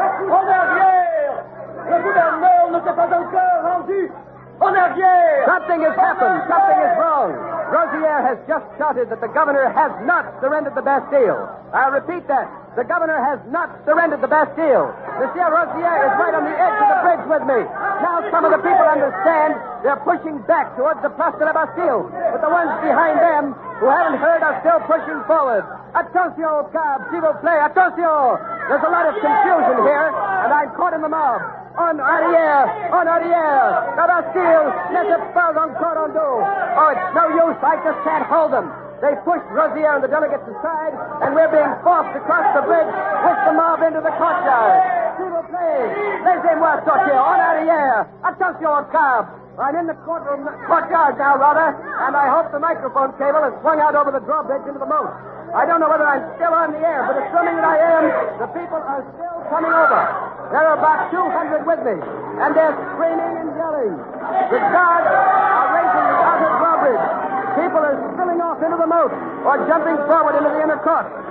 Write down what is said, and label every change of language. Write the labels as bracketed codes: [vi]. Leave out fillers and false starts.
[fr] En arrière! Le gouverneur ne s'est pas encore rendu! En arrière! [en] Something has happened! Something is wrong! Rosier has just shouted that the governor has not surrendered the Bastille. I'll repeat that. The governor has not surrendered the Bastille. Monsieur Rosier is right on the edge of the bridge with me. Now some of the people understand. They're pushing back towards the Place de la Bastille. But the ones behind them who haven't heard are still pushing forward. [fr] Attention, cab, s'il vous plaît, attention! [en] There's a lot of confusion here, and I'm caught in the mob. [fr] En arrière, la Bastille, n'est pas encore en dos. [en] Oh, it's no use, I just can't hold them. They pushed Rosier and the delegates aside, and we're being forced across the bridge with the mob into the courtyard. [fr] S'il vous plaît, laissez-moi sortir, en arrière, attention, cab. [en] I'm in the courtyard now, rather, and I hope the microphone cable has swung out over the drawbridge into the moat. I don't know whether I'm still on the air, but assuming that I am, the people are still coming over. There are about 200 with me, and they're screaming and yelling. The guards are raising the outer drawbridge. People are spilling off into the moat or jumping forward into the inner court.